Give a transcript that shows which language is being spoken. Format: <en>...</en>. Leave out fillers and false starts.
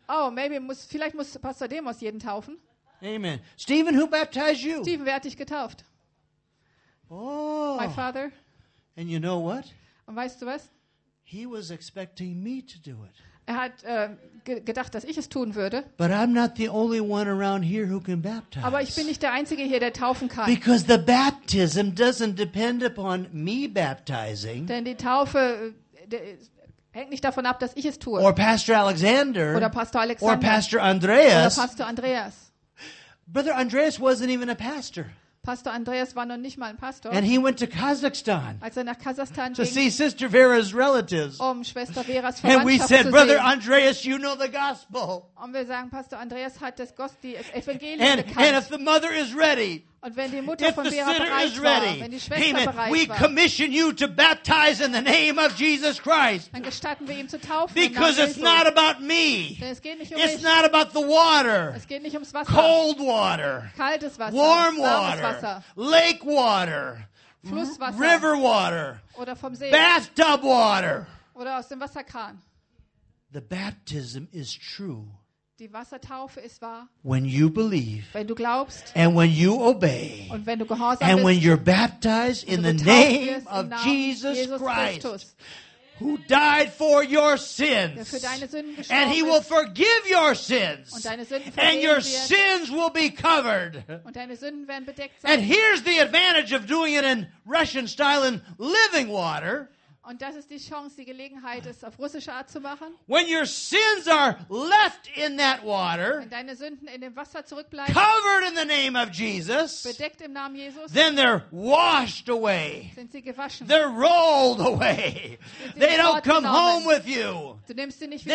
<de>Oh,</de> <en>maybe</en> <de>muss vielleicht muss Pastor Demos jeden taufen.</de> <en>Amen. Stephen, who baptized you?</en> <de>Stephen, wer hat dich getauft? Oh,</de> <en>my father. And you know what?</en> <de>Und weißt du was?</de> <en>He was expecting me to do it.</en> <de>Er hat gedacht, dass ich es tun würde.</de> <en>But I'm not the only one around here who can baptize.</en> <de>Aber ich bin nicht der Einzige hier, der taufen kann.</de> <en>Because the baptism doesn't depend upon me baptizing.</en> <de>Denn die Taufe hängt nicht davon ab, dass ich es tue.</de> <en>Or Pastor Alexander.</en> <de>Oder Pastor Alexander.</de> <en>Or Pastor Andreas.</en> <de>Oder Pastor Andreas.</de> <en>Brother Andreas wasn't even a pastor.</en> <de>Pastor Andreas war noch nicht mal ein Pastor.</de> <en>And he went to Kazakhstan.</en> <de>Als er nach Kasachstan ging.</de> <en>To see Sister Vera's relatives.</en> <de>Um Schwester Veras Verwandtschaft zu sehen.</de> <en>And we said, Brother</en> <de>sehen.</de> <en>Andreas, you know the gospel.</en> <de>Und wir sagen, Pastor Andreas hat das Gospel, das Evangelium bekannt.</de> <en>And if the mother is ready.</en> <de>Und wenn die Mutter von Vera bereit war, wenn die Schwester bereit war.</de> <en>We commission you to baptize in the name of Jesus Christ.</en> <de>Dann gestatten wir ihm zu taufen.</de> <en>Because it's not about me.</en> <de>Denn es geht nicht um</de> <en>it's</en> <de>mich.</de> <en>Not about the water.</en> <de>Es geht nicht ums Wasser.</de> <en>Cold water.</en> <de>Kaltes Wasser.</de> <en>Warm water. Lake water.</en> <de>Flusswasser.</de> <en>River water.</en> <de>Oder vom See.</de> <en>Bathtub water.</en> <de>Oder aus dem Wasserkran.</de> <en>The baptism is true.</en> <de>Die Wassertaufe ist wahr.</de> <en>When you believe,</en> <de>wenn du glaubst,</de> <en>and when you obey,</en> <de>und wenn du gehorsam</de> <en>and</en> <de>bist,</de> <en>when you're baptized in the name of Jesus Christ, who died for your sins,</en> <de>der für deine Sünden gestorben</de> <en>and he will forgive your sins,</en> <de>und deine Sünden vergeben</de> <en>and your sins will be covered.</en> <de>Und deine Sünden werden bedeckt sein.</de> <en>And here's the advantage of doing it in Russian style in living water.</en> <de>Und das ist die Chance, die Gelegenheit, es auf russische Art zu machen.</de> <en>When your sins are left in that water,</en> <de>wenn deine Sünden in dem Wasser zurückbleiben,</de> <en>covered in the name of Jesus,</en> <de>bedeckt im Namen Jesus,</de> <en>then they're washed away.</en> <de>Sind sie gewaschen.</de> <en>They're rolled away. They don't come home with you.</en> <de>Du nimmst sie nicht wieder</de>